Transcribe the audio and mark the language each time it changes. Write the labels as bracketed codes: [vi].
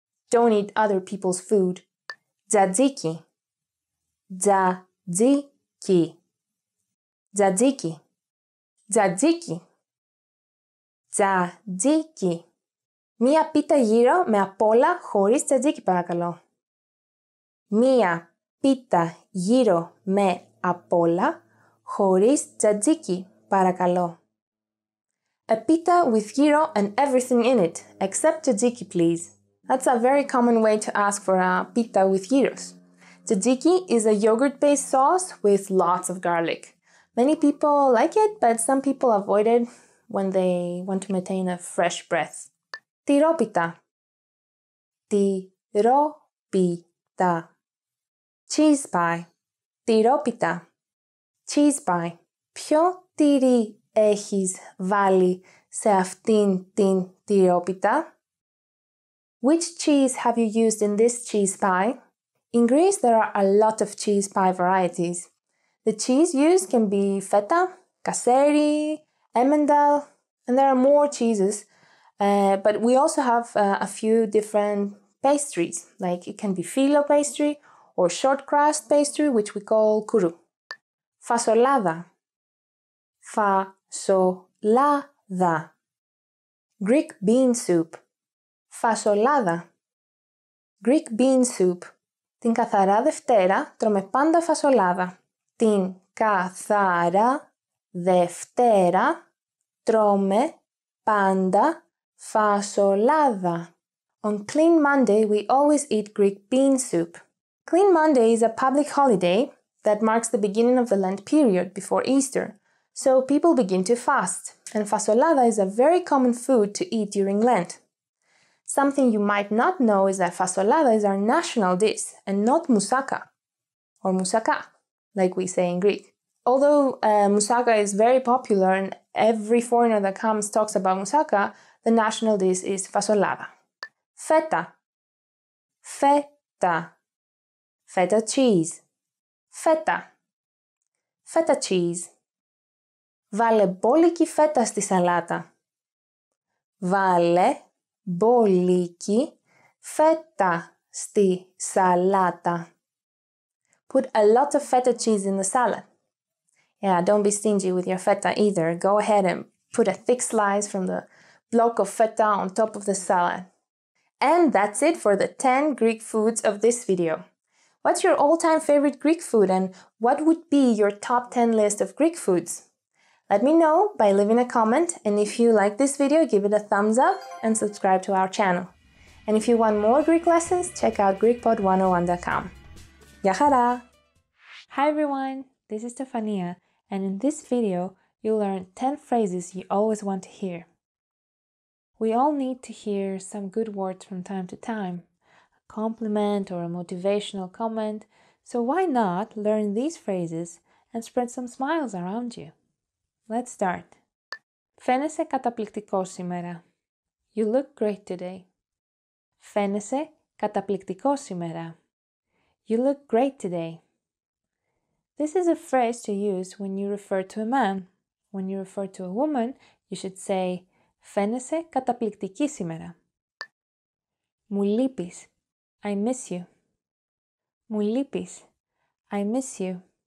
[en] Don't eat other people's food. Τζατζίκι. Τζατζίκι. Τζατζίκι. Τζατζίκι. [el] Τζατζίκι. Μία πίτα γύρω με απόλα χωρίς τζατζίκι, παρακαλώ. Μία πίτα γύρω με απόλα χωρίς τζατζίκι, παρακαλώ. [en] A pita with gyro and everything in it, except tzatziki, please. That's a very common way to ask for a pita with gyros. Tzatziki is a yogurt-based sauce with lots of garlic. Many people like it, but some people avoid it when they want to maintain a fresh breath. Tiropita. Tiropita. Cheese pie. Tiropita. Cheese pie. [el] Ποιο τυρί έχεις βάλει σε αυτήν την τυρόπιτα? [en] Which cheese have you used in this cheese pie? In Greece, there are a lot of cheese pie varieties. The cheese used can be feta, kasseri, emmental, and there are more cheeses. But we also have a few different pastries, like it can be filo pastry or short crust pastry, which we call kuru. Fasolada. Fasolada. Greek bean soup. Fasolada. Greek bean soup. [el] Την καθαρά Δευτέρα τρώμε πάντα φασολάδα. Την καθαρά Δευτέρα τρώμε πάντα φασολάδα. [en] On Clean Monday, we always eat Greek bean soup. Clean Monday is a public holiday that marks the beginning of the Lent period before Easter. So people begin to fast, and fasolada is a very common food to eat during Lent. Something you might not know is that fasolada is our national dish, and not moussaka, or moussaka, like we say in Greek. Although moussaka is very popular and every foreigner that comes talks about moussaka, the national dish is fasolada. Feta. Feta. Feta cheese. Feta. Feta cheese. [el] Βάλε μπόλικη φέτα στη σαλάτα. Βάλε μπόλικη φέτα στη σαλάτα. [en] Put a lot of feta cheese in the salad. Yeah, don't be stingy with your feta either. Go ahead and put a thick slice from the block of feta on top of the salad. And that's it for the 10 Greek foods of this video. What's your all-time favorite Greek food and what would be your top 10 list of Greek foods? Let me know by leaving a comment, and if you like this video, give it a thumbs up and subscribe to our channel. And if you want more Greek lessons, check out GreekPod101.com. [el] Γεια χαρά! [en] Hi everyone, this is Stefania, and in this video, you'll learn 10 phrases you always want to hear. We all need to hear some good words from time to time, a compliment or a motivational comment, so why not learn these phrases and spread some smiles around you? Let's start. [el] Φαίνεσαι καταπληκτικός σήμερα. [en] You look great today. [el] Φαίνεσαι καταπληκτικός σήμερα. [en] You look great today. This is a phrase to use when you refer to a man. When you refer to a woman, you should say [el] Φαίνεσαι καταπληκτική σήμερα. Μου λείπεις. [en] I miss you. [el] Μου λείπεις. [en] I miss you.